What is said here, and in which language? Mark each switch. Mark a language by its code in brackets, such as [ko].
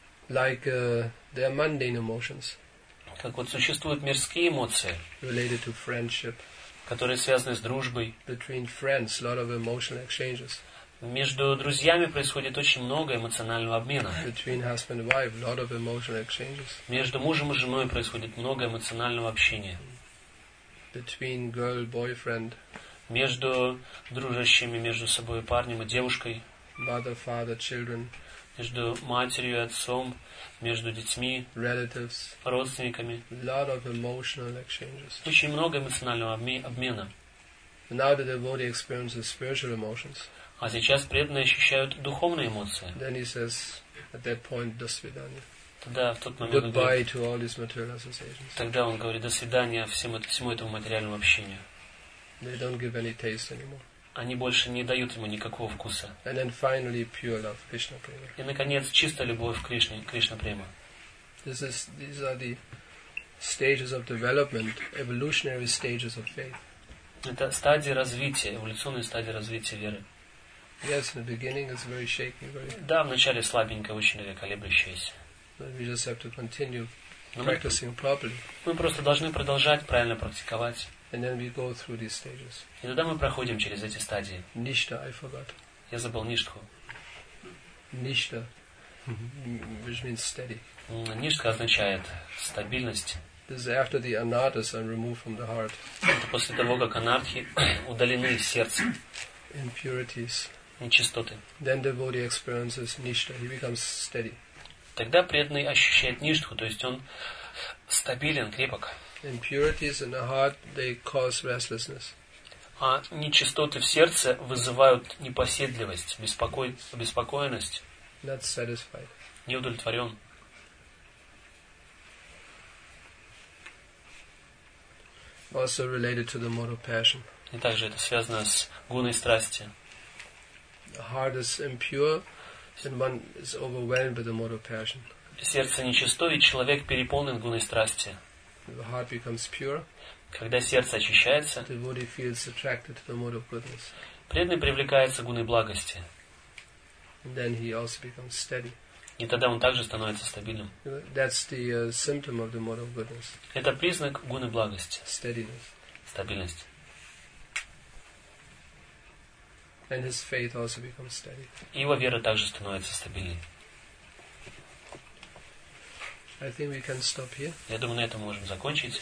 [en] Like their mundane emotions. [ru] Как вот существуют мирские эмоции. [en] Related to friendship. [ru] которые связаны с дружбой. [en] Between friends, a lot of emotional exchanges. [ru] Между друзьями происходит очень много эмоционального обмена. [en] Between husband and wife, a lot of emotional exchanges. [ru] Между мужем и женой происходит много эмоционального общения. [en] Between girl, boyfriend. [ru] Между дружащими между собой парнем и девушкой. [en] Mother, father, children. [ru] Между матерью и отцом, между детьми, [en] relatives, [ru] родственниками. [en] Lot of emotional exchanges. [ru] Очень много эмоционального обмена. [en] Now the devotee experiences spiritual emotions. [ru] А сейчас преданные ощущают духовные эмоции. [en] Then he says, at that point, [ru] до свидания. Тогда в тот момент он говорит, [en] to all these material associations. [ru] Тогда он говорит до свидания всему этому материальному общению. [en] They don't give any taste anymore. [ru] Они больше не дают ему никакого вкуса. [en] And then finally, pure love, Krishna prema. [ru] И наконец чистая любовь к Кришне, Кришна према. [en] These are the stages of development, evolutionary stages of faith. [ru] Это стадии развития, эволюционные стадии развития веры. [en] Yes, in the beginning it's very shaky, very. [ru] Да, вначале слабенькое, очень колеблющееся. [en] But we just have to continue practicing properly. [ru] Мы просто должны продолжать правильно практиковать. [en] And then we go through these stages. [ru] И тогда мы проходим через эти стадии. [en] Ништа, I forgot. [ru] Я забыл ништху. [en] Ништа, which means steady. [ru] Ништха означает стабильность. [en] This is after the anarthas are removed from the heart. [ru] Это после того, как анартхи удалены из сердца. [en] Impurities. [ru] Нечистоты. [en] Then the devotee experiences ништа, he becomes steady. [ru] Тогда преданный ощущает ништху, то есть он стабилен, крепок. [en] Impurities in the heart, they cause restlessness. [ru] А нечистоты в сердце вызывают непоседливость, беспокойность. [en] Not satisfied. [ru] Неудовлетворен. [en] Also related to the mode of passion. [ru] И также это связано с гуной страсти. [en] The heart is impure, and one is overwhelmed by the mode of passion. [ru] Сердце нечистое, человек переполнен гуной страсти. [en] The heart becomes pure. [ru] Когда сердце очищается, [en] the body feels attracted to the mode of goodness. [ru] Преданный привлекается к гуне благости. [en] And then he also becomes steady. [ru] И тогда он также становится стабильным. [en] That's the symptom of the mode of goodness. [ru] Это признак гуны благости. [en] Steadiness. [ru] Стабильность. [en] And his faith also becomes steady. [ru] И его вера также становится стабильной. [en] I think we can stop here. [ru] Я думаю, на этом можем закончить.